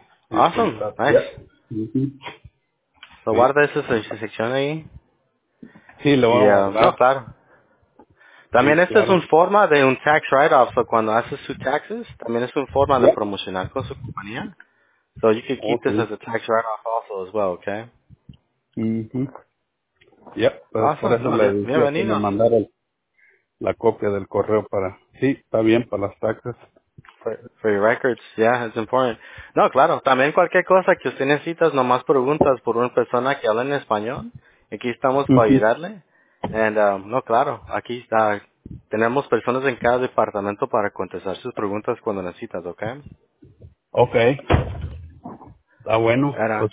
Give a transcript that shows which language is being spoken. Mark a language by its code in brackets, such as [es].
[en] Awesome, nice. Yep. [es] So guarda esa sección ahí. Sí, lo vamos a no, claro. También sí, esta claro. Es una forma de un tax write-off. So cuando haces sus taxes, también es una forma de promocionar con su compañía. [en] So you can keep this as a tax write-off also as well, okay? Yep, pues awesome. [es] Por eso le dije que me mandara la copia del correo para... Sí, está bien para las taxes. [en] For your records, yeah, it's important. [es] No, claro, también cualquier cosa que usted necesitas, nomás preguntas por una persona que habla en español. Aquí estamos para ayudarle. And, no, claro, aquí está. Tenemos personas en cada departamento para contestar sus preguntas cuando necesitas, okay? Okay. Está bueno. Era, pues